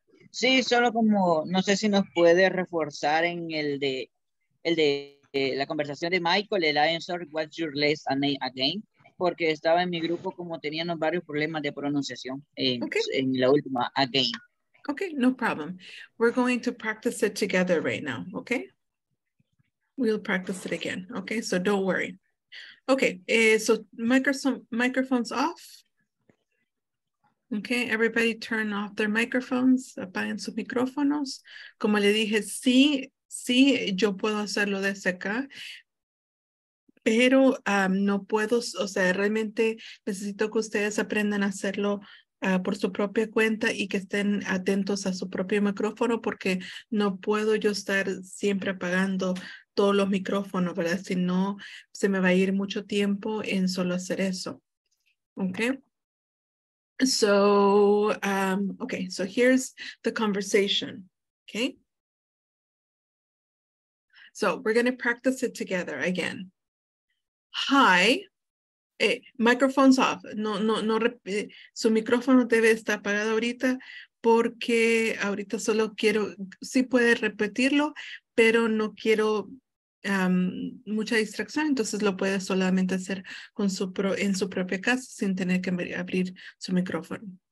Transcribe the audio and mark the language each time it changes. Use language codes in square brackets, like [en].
[es] Sí, solo como, no sé si nos puede reforzar en el de la conversación de Michael, el answer, [en] what's your last name again? [es] Porque estaba en mi grupo como teníamos varios problemas de pronunciación en la última, again. [en] Okay, no problem. We're going to practice it together right now, okay? We'll practice it again, okay? So don't worry. Okay, so microphones off. Okay, everybody turn off their microphones. [es] Apaguen sus micrófonos. Como le dije, sí, yo puedo hacerlo desde acá. Pero no puedo, o sea, realmente necesito que ustedes aprendan a hacerlo por su propia cuenta y que estén atentos a su propio micrófono, porque no puedo yo estar siempre apagando todos los micrófonos, ¿verdad? Si no, se me va a ir mucho tiempo en solo hacer eso. [en] Okay. So, okay. So here's the conversation. Okay. So we're going to practice it together again. Hi. Hey, microphones off. No. [es] Su micrófono debe estar apagado ahorita, porque ahorita solo quiero, sí puede repetirlo, pero no quiero mucha distracción. Entonces lo puede solamente hacer con en su propia casa sin tener que abrir su micrófono.